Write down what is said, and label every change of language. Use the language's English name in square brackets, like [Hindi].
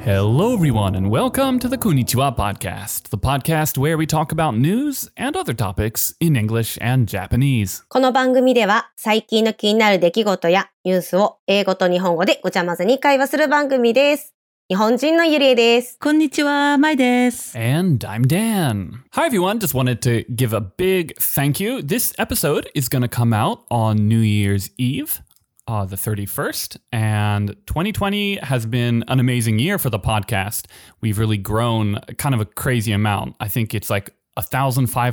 [English] Hello everyone and welcome to the こんにちは podcast, the podcast where we talk about news and other topics in English and Japanese. [Japanese] この番組では最近の気になる出来事やニュースを英語と日本語でごちゃ混ぜに会話する番組です。日本人のゆりえです。こんにちは、まいです。 [English] And I'm Dan. Hi everyone, just wanted to give a big thank you. This episode is going to come out on New Year's Eve, the 31st, and 2020 has been an amazing year for the podcast. We've really grown kind of a crazy amount. I think it's like 1,500%.